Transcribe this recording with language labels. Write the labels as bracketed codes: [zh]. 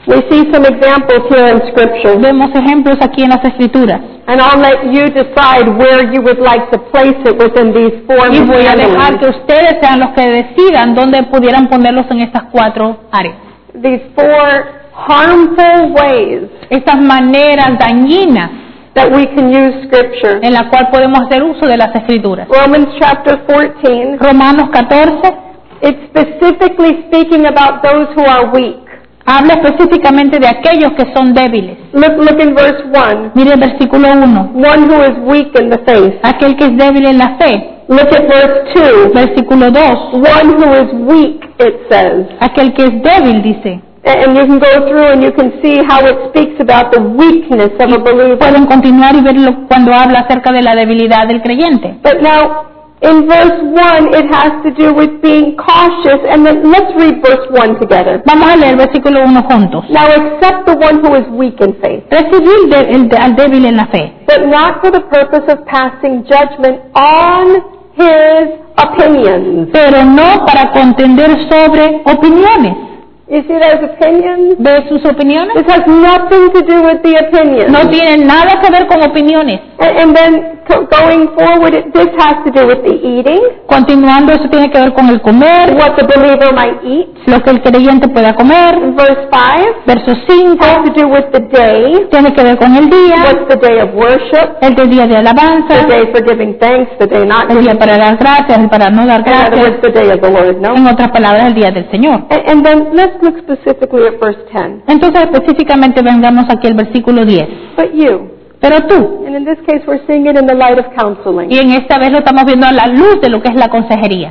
[en] We see some examples here in scripture. [es] Vemos ejemplos aquí en las escrituras. [en] And I'll let you decide where you would like to place it within these four areas. [es] Y voy a dejar que ustedes sean los que decidan dónde pudieran ponerlos en estas cuatro áreas. [en] These four harmful ways. [es] Estas maneras dañinas. [en] That we can use scripture. [es] En la cual podemos hacer uso de las escrituras. [en] Romans chapter 14. [es] Romanos 14. [en] It's specifically speaking about those who are weak. [es] Habla específicamente de aquellos que son débiles. [en] Look in verse 1. [es] Mire el versículo 1. [en] One who is weak in the faith. [es] Aquel que es débil en la fe. [en] Look at verse 2. [es] Versículo 2. [en] One who is weak, it says. [es] Aquel que es débil, dice. [en] And you can go through and you can see how it speaks about the weakness of a believer. [es] Pueden continuar y verlo cuando habla acerca de la debilidad del creyente. [en] But now, in verse 1, it has to do with being cautious. And then let's read verse 1 together. [es] Vamos a leer versículo 1 juntos. [en] Now accept the one who is weak in faith. [es] Recibir al débil en la fe. [en] But not for the purpose of passing judgment on his opinions. [es] Pero no para contender sobre opiniones. [en] You see those opinions? [es] ¿Ve sus opiniones? [en] This has nothing to do with the opinions. [es] No tiene nada que ver con opiniones. [en] And then going forward, this has to do with the eating. [es] Continuando, eso tiene que ver con el comer. [en] What the believer might eat. [es] Lo que el creyente pueda comer. [en] Verse 5. [es] Verso 5. [en] Has to do with the day. [es] Tiene que ver con el día. [en] What's the day of worship? [es] El día de alabanza. [en] The day for giving thanks, the day not giving. [es] El día para dar gracias, para no dar gracias. [en] In other words, the day of the Lord, no? [es] En otras palabras, el día del Señor. [en] And then let's look specifically at verse 10. [es] Entonces, específicamente, vengamos aquí al versículo 10. [en] But you. [es] Pero tú. [en] And in this case, we're seeing it in the light of counseling. [es] Y en esta vez lo estamos viendo a la luz de lo que es la consejería.